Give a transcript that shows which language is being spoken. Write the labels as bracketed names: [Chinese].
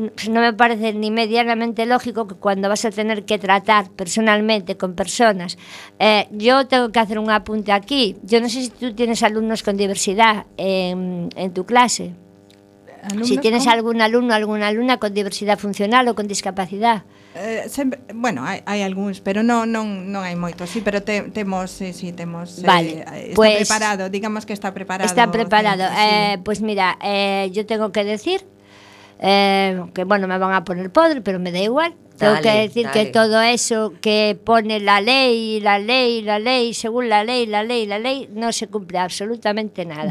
[Spanish] no me parece ni medianamente lógico que cuando vas a tener que tratar personalmente con personas, yo tengo que hacer un apunte aquí, yo no sé si tú tienes alumnos con diversidad en tu clase, si tienes algún alumno o alguna alumna con diversidad funcional o con discapacidad. [Galician] Sempre, bueno, hai algúns, pero non hai moitos. Sí, pero temos, sí, temos. [Spanish] Vale, está pues, preparado, digamos que está preparado. Está preparado. Sí. Pues mira, yo tengo que decir que, bueno, me van a poner podre, pero me da igual. Tengo que decir que todo eso que pone la ley, según la ley, no se cumple absolutamente nada.